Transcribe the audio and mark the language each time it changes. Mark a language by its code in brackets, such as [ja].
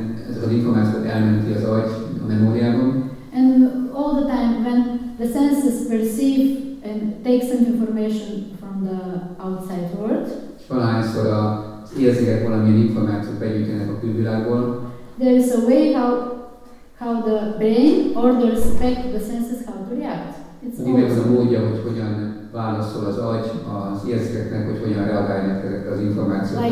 [hu] Ez az információt elmenti az agy a memóriában. [en] And all the time when the senses perceive and take some information from the outside world. [hu] Valahányszor az érzékek valamilyen információt begyűjtenek a külvilágból. [en] There is a way how the brain orders back to the senses how to react. [hu] Ez a módja, hogy hogyan válaszol az agy az érzékeknek, hogy hogyan reagálnak ezek az információk.